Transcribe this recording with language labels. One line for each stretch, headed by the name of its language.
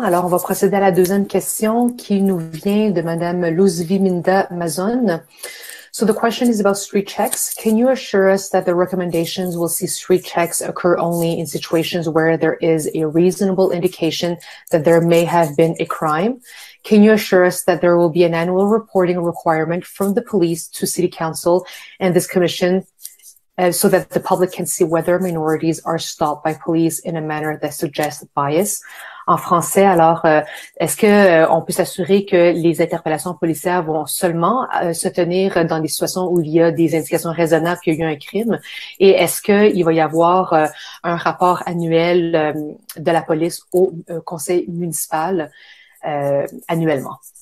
French: Alors, on va procéder à la deuxième question qui nous vient de Madame Luzvi Minda Mazon.
English: So the question is about street checks. Can you assure us that the recommendations will see street checks occur only in situations where there is a reasonable indication that there may have been a crime? Can you assure us that there will be an annual reporting requirement from the police to City Council and this commission so that the public can see whether minorities are stopped by police in a manner that suggests bias?
French: En français, alors, est-ce qu'on peut s'assurer que les interpellations policières vont seulement se tenir dans des situations où il y a des indications raisonnables qu'il y a eu un crime? Et est-ce qu'il va y avoir un rapport annuel de la police au conseil municipal annuellement?